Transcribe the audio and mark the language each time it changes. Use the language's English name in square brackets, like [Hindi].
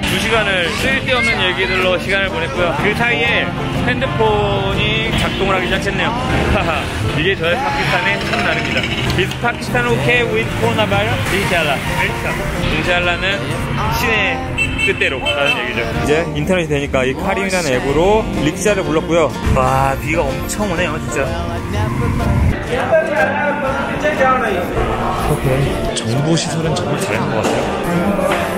[Korean] 두 시간을 쓸데없는 얘기들로 시간을 보냈고요. 그 사이에 핸드폰이 작동을 하기 시작했네요. 이게 저의 파키스탄의 첫날입니다. [English] Is Pakistan okay with coronavirus? [Arabic] Inshallah. Inshallah. [Korean] Inshallah는 신의 뜻대로 라는 얘기죠. 이제 인터넷이 되니까 이 카림이라는 앱으로 릭샤를 불렀고요. 와, 비가 엄청 오네요, 진짜. 오케이. 정부 시설은 정말 잘한 것 같아요.